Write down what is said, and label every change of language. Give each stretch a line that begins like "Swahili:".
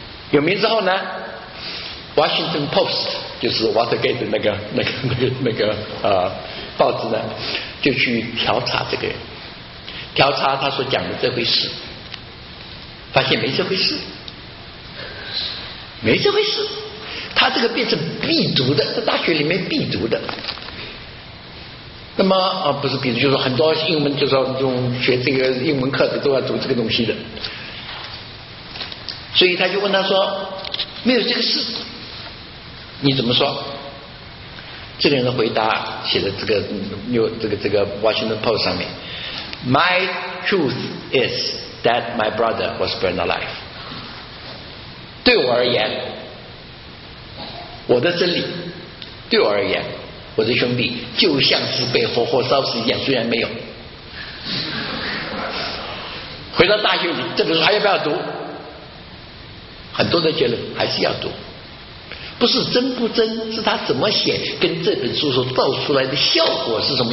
Chinese: 有名之后呢 ，Washington Post 就是 Watergate 的那个报纸呢，就去调查这个人，调查他所讲的这回事，发现没这回事，他这个变成必读的，在大学里面必读的。那么不是必读，就是很多英文，就是说这种学这个英文课的都要读这个东西的。所以他就问他说，没有这个事你怎么说？这个人的回答写在这个 Washington Post 上面，
English: My truth is that my brother was burned alive。
Chinese: 对我而言，我的真理，对我而言，我的兄弟就像是被活活烧死一样，虽然没有，回到大学里，这个书还要不要读？很多的结论还是要读，不是真不真，是他怎么写，跟这本书所造出来的效果是什么？